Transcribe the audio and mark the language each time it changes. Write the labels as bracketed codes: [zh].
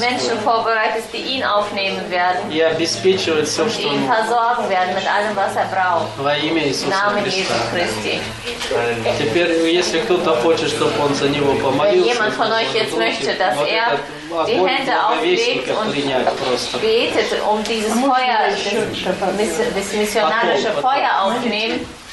[de] Menschen vorbereitest, die ihn aufnehmen werden. [ru] И обеспечивать все, что [de] ihn versorgen werden mit allem, was er braucht. [ru] Во имя Иисуса Христа. Теперь, если кто-то хочет, чтобы он за него помолился, [de] wenn jemand von euch jetzt möchte, dass er die Hände auflegt und betet, um dieses Feuer, das missionarische Feuer aufnehmen,